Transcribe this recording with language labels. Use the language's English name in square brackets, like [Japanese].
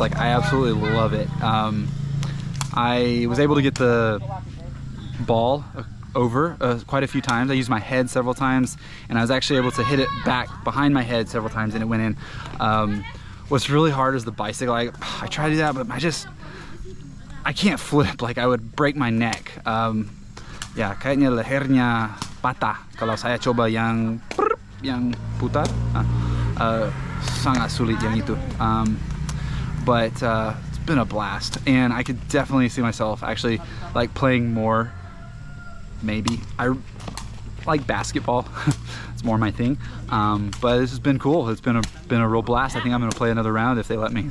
[English] Like, I absolutely love it. I was able to get the ball over quite a few times. I used my head several times, and I was actually able to hit it back behind my head several times, and it went in. What's really hard is the bicycle. I try to do that, but I can't flip. Like, I would break my neck. [Indonesian] Ya, kayaknya lehernya patah kalau saya coba yang putar. Sangat sulit yang itu. [English] It's been a blast, and I could definitely see myself actually like playing more. Maybe I like basketball. It's more my thing. But this has been cool. It's been a real blast. I think I'm gonna play another round if they let me.